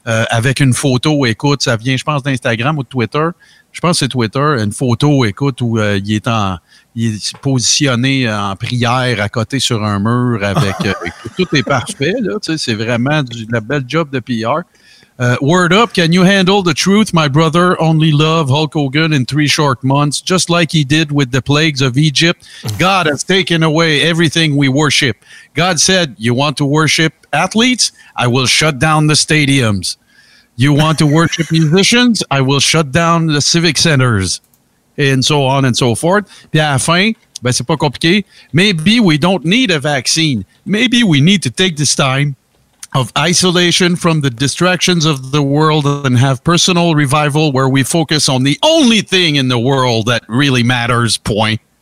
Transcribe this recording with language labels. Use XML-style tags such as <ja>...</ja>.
<fr>Avec une photo, écoute, ça vient, je pense, d'Instagram ou de Twitter. Je pense que c'est Twitter. Une photo, écoute, où il est positionné en prière à côté sur un mur avec. tout est parfait, là. Tu sais, c'est vraiment la belle job de PR.</fr> <en>Word up, can you handle the truth? My brother only loved Hulk Hogan in 3 short months, just like he did with the plagues of Egypt. God has taken away everything we worship. God said, you want to worship athletes? I will shut down the stadiums. You want to worship musicians? I will shut down the civic centers. And so on and so forth.</en> <fr>Puis à la fin, ben c'est pas compliqué.</fr> <en>Maybe we don't need a vaccine. Maybe we need to take this time of isolation from the distractions of the world and have personal revival where we focus on the only thing in the world that really matters, point.</en>